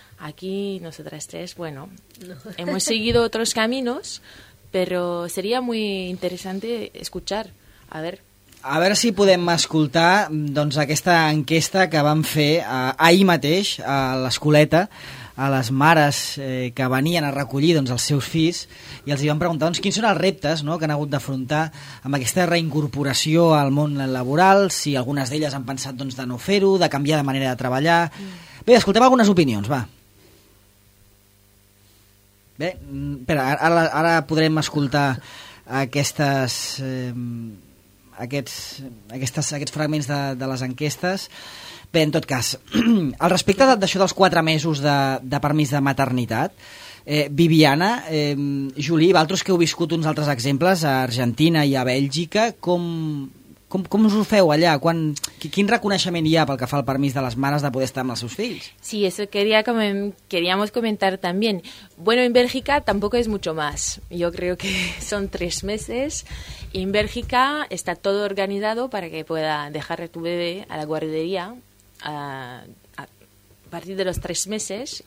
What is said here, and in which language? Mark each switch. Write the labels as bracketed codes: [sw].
[es] Aquí nosotras tres, bueno, hemos seguido otros caminos, pero sería muy interesante escuchar, a ver. [ca] A veure si podem escoltar doncs, aquesta enquesta que vam fer ahir mateix a l'escoleta a les mares que venien a recollir doncs, els seus fills i els hi vam preguntar doncs, quins són els reptes no, que han hagut d'afrontar amb aquesta reincorporació al món laboral, si algunes d'elles han pensat doncs, de no fer-ho, de canviar de manera de treballar. Bé, escoltem algunes opinions, va. Bé, ara podrem escoltar aquestes... aquests fragments de les enquestes. Bé, en tot cas, al respecte d'això dels 4 mesos de permís de maternitat, Viviana, Juli, i altres que heu viscut uns altres exemples a Argentina i a Bèlgica, com us ho feu allà? Quin reconeixement hi ha pel que fa al permís de les mares de poder estar amb els seus fills? [es] Sí, eso queríamos comentar también. Bueno, en Bélgica tampoco es mucho más. Yo creo que son 3 meses. Y en Bélgica está todo organizado para que pueda dejar a tu bebé a la guardería a partir de los 3 meses.